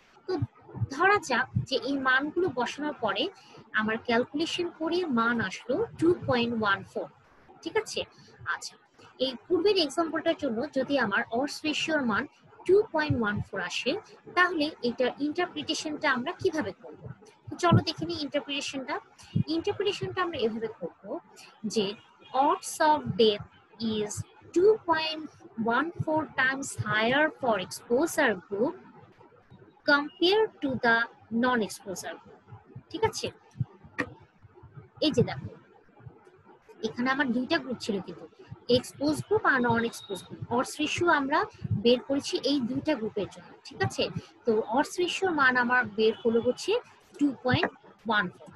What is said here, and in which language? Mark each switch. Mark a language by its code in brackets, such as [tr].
[bn] তো ধরা যাক যে এই মানগুলো বসানোর পরে আমার ক্যালকুলেশন করে মান আসলো 2.14। ঠিক আছে, আচ্ছা এই পূর্বের এক্সাম্পলটার জন্য যদি আমার অডস রেশিওর মান 2.14 আসে তাহলে এটার ইন্টারপ্রিটেশনটা আমরা কিভাবে করব, চলো দেখে নিই ইন্টারপ্রিটেশনটা। ইন্টারপ্রিটেশনটা আমরা এভাবে করব যে [en] odds of death is 2.14 times higher for exposure group compared to the non-exposure group। [bn] ঠিক আছে, এই যে দেখো এখানে আমার দুইটা গ্রুপ ছিল, কিন্তু এক্সপোজ গ্রুপ আর নন এক্সপোজ গ্রুপ, অডস রেশিও আমরা বের করেছি এই দুইটা গ্রুপের জন্য। ঠিক আছে, তো অডস রেশিওর মান আমার বের হলো হচ্ছে 2.14।